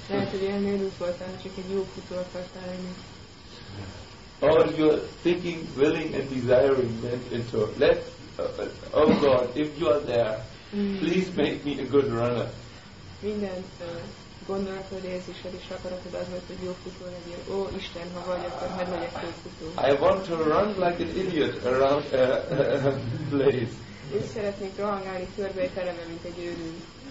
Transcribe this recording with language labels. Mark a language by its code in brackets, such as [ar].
[hu] Lehet, hogy ilyen nélkül voltál, csak egy jó futó akartál lenni. [en] Or you are thinking, willing and desiring that into let, oh God, if you are there, please make me a good runner. [hu] Minden gondolatod, érzésed és akaratod az volt, hogy jó futó legyél. Ó, Isten, ha vagy, akkor hadd legyek jó futó. [en] I want to run like an idiot around a place. [hu] Én szeretnék rohangálni körbe egy terembe, mint egy őrült.